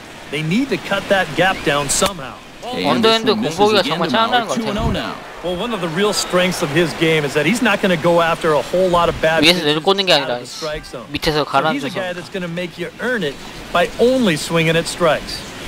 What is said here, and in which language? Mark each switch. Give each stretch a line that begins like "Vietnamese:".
English: They need to cut that gap down somehow.
Korean: 안 되는데 공복이가 정말 짱나는 거 같아.
English: Well, one of the real strengths of his game is that he's not going to go after a whole lot of bad.
Korean: 위에서 내려 꽂는 게 아니라 밑에서 가라앉혀서.
English: He's a guy that's going to make you earn it by only swinging at strikes.